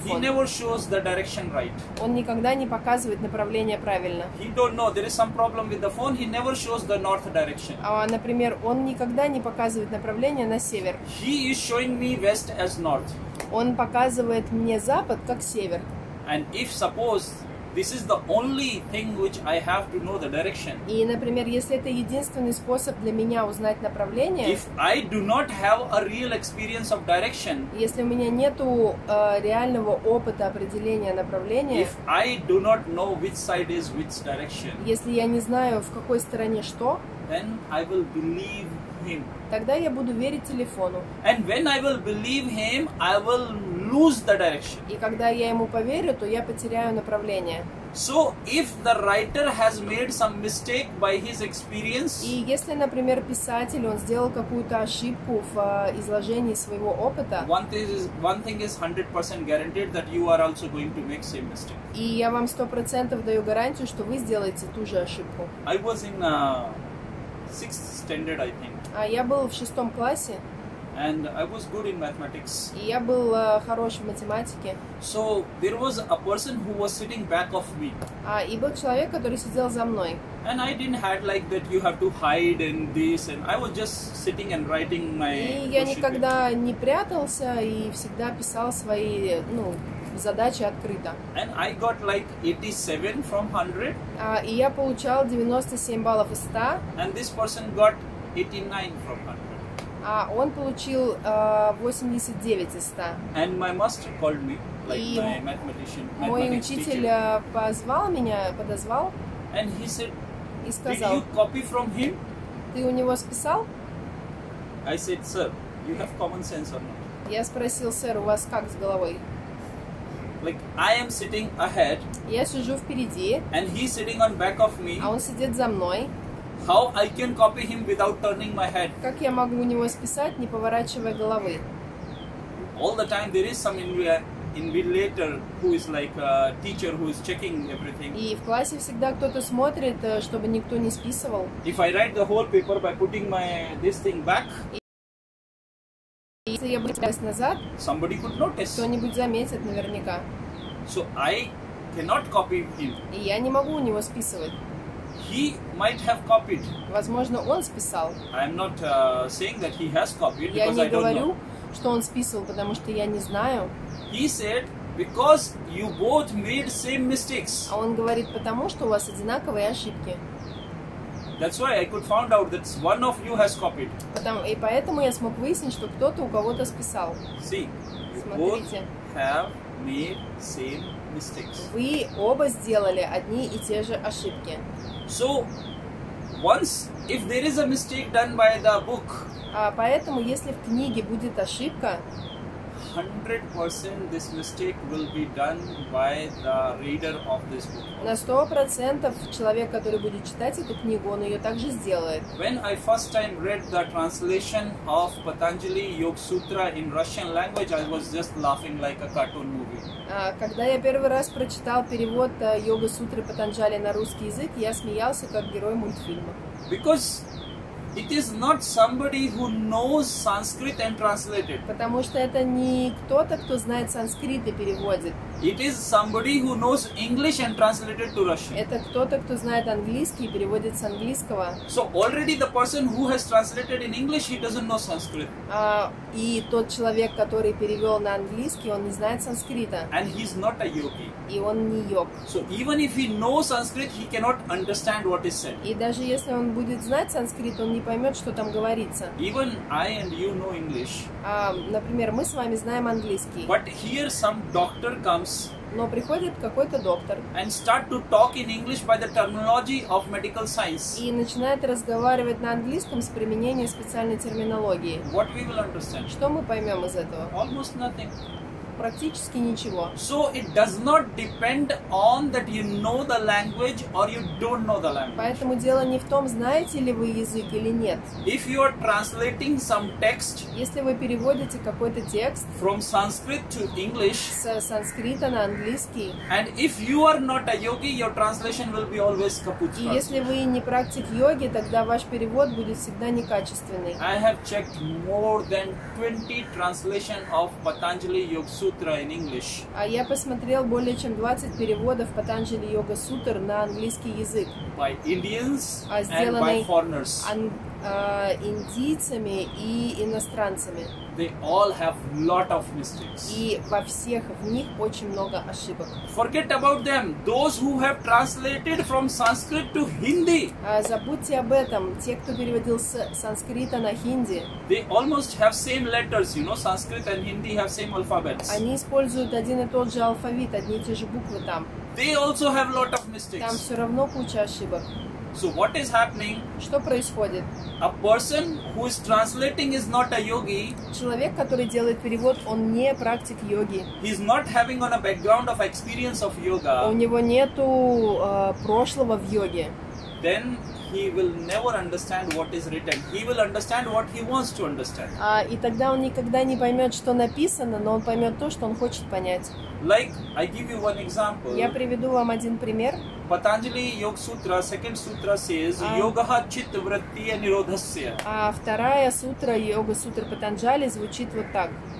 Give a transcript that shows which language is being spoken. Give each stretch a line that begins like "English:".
English: He never shows the direction right.
Russian: Он никогда не показывает направление правильно.
English: He don't know. There is some problem with the phone. He never shows the north direction.
Russian: А, например, он никогда не показывает направление на север.
English: He is showing me west as north.
Russian: Он показывает мне запад как север.
English: And if suppose this is the only thing which I have to know the direction.
Russian: И, например, если это единственный способ для меня узнать направление.
English: If I do not have a real experience of direction.
Russian: Если у меня нету реального опыта определения направления.
English: If I do not know which side is which direction.
Russian: Если я не знаю в какой стороне что.
English: Then I will believe him.
Russian: Тогда я буду верить телефону.
English: And when I will believe him, I will lose the direction.
Russian: И когда я ему поверю, то я потеряю направление.
English: So if the writer has made some mistake by his experience.
Russian: И если, например, писатель, он сделал какую-то ошибку в изложении своего опыта.
English: One thing is 100% guaranteed that you are also going to make same mistake.
Russian: И я вам 100% даю гарантию, что вы сделаете ту же ошибку.
English: I was in sixth standard, I think.
Russian: А я был в шестом классе.
English: And I was good in mathematics.
Russian: И я был хорош в математике.
English: So there was a person who was sitting back of me.
Russian: А и был человек, который сидел за мной.
English: And I didn't have like that. You have to hide and this, and I was just sitting and writing my.
Russian: И я никогда не прятался и всегда писал свои задачи открыто.
English: And I got like 87 from 100.
Russian: И я получал 97 баллов из 100.
English: And this person got 89 from 100.
Russian: А он получил 89 из 100.
English: And my master called me, like my mathematician,
Russian: мой
English: mathematics
Russian: учитель
English: teacher.
Russian: Позвал меня, подозвал.
English: And he said,
Russian: и сказал,
English: did you copy from him?
Russian: Ты у него списал?
English: I said, sir, you have common sense or not?
Russian: Я спросил, сэр, у вас как с головой?
English: Like I am sitting ahead.
Russian: Я сижу впереди.
English: And he is sitting on back of me.
Russian: А он сидит за мной.
English: How I can copy him without turning my head?
Russian: Как я могу у него списать, не поворачивая головы?
English: All the time there is some invigilator who is like a teacher who is checking everything.
Russian: И в классе всегда кто-то смотрит, чтобы никто не списывал.
English: If I write the whole paper by putting my this thing back.
Russian: Если я буду писать назад,
English: somebody could notice.
Russian: Кто-нибудь заметит наверняка.
English: So I cannot copy him.
Russian: И я не могу у него списывать.
English: He might have copied.
Russian: Возможно, он списал.
English: I am not saying that he has copied,
Russian: я
English: because
Russian: не говорю,
English: I don't know.
Russian: Что он списывал, потому что я не знаю.
English: He said, because you both made same mistakes.
Russian: А он говорит, потому что у вас одинаковые ошибки.
English: That's why I could find out that one of you has copied.
Russian: И поэтому я смог выяснить, что кто-то у кого-то списал.
English: See,
Russian: смотрите.
English: Both have made same mistakes.
Russian: Вы оба сделали одни и те же ошибки.
English: So, once, if there is a mistake done by the book,
Russian: поэтому, если в книге будет ошибка,
English: 100% this mistake will be done by the reader of this book.
Russian: На 100% человек, который будет читать эту книгу, он ее также сделает.
English: When I first time read the translation of Patanjali Yoga Sutra in Russian language, I was just laughing like a cartoon movie.
Russian: Когда я первый раз прочитал перевод Йога Сутры Патанджали на русский язык, я смеялся как герой мультфильма.
English: Because it is not somebody who knows Sanskrit and translated.
Russian: Потому что это не кто-то, кто знает санскрит и переводит.
English: It is somebody who knows English and translated to Russian.
Russian: Это кто-то, кто знает английский и переводит с английского.
English: So already the person who has translated in English, he doesn't know Sanskrit.
Russian: И тот человек, который перевел на английский, он не знает санскрита.
English: And he is not a yogi.
Russian: И он не йог.
English: So even if he knows Sanskrit, he cannot understand what is said.
Russian: И даже если он будет знать санскрит, он не поймет, что там говорится.
English: Even I and you know English.
Russian: Например, мы с вами знаем английский.
English: But here some doctor comes.
Russian: Но приходит какой-то доктор.
English: And start to talk in English by the terminology of medical science.
Russian: И начинает разговаривать на английском с применением специальной терминологии.
English: What we will understand?
Russian: Что мы поймем из этого?
English: Almost nothing.
Russian: Практически ничего.
English: So it does not depend on that you know the language or you don't know the language.
Russian: Поэтому дело не в том, знаете ли вы язык или нет.
English: If you are translating some text,
Russian: если вы переводите какой-то текст
English: from Sanskrit to English,
Russian: с санскрита на английский,
English: and if you are not a yogi, your translation will be always kaput.
Russian: И если вы не практик йоги, тогда ваш перевод будет всегда некачественный.
English: I have checked more than 20 translations of Patanjali Yoga Sutra in English.
Russian: А я посмотрел более чем 20 переводов Патанджали Йога Сутр на английский язык.
English: By Indians and by foreigners.
Russian: Индийцами и иностранцами.
English: They all have lot of mistakes.
Russian: И во всех в них очень много ошибок.
English: Forget about them. Those who have translated from Sanskrit to Hindi.
Russian: Забудьте об этом. Те, кто переводил с санскрита на хинди.
English: They almost have same letters. You know, Sanskrit and Hindi have same alphabets.
Russian: Они используют один и тот же алфавит, одни и те же буквы там.
English: They also have lot of mistakes.
Russian: Там все равно куча ошибок.
English: So what is happening?
Russian: Что происходит?
English: A person who is translating is not a yogi.
Russian: Человек, который делает перевод, он не практик йоги.
English: He is not having on a background of experience of yoga.
Russian: У него нету прошлого в йоге.
English: Then he will never understand what is written. He will understand what he wants to understand.
Russian: И тогда он никогда не поймет, что написано, но он поймет то, что он хочет понять.
English: Like, I give you one example.
Russian: Я приведу вам один пример.
English: Patanjali Yoga Sutra, second sutra says,
Sanskrit: Yogaha Chitta Vrittiya Nirodhasya.
Russian: А вторая сутра, Йога Сутра Патанджали, звучит вот так.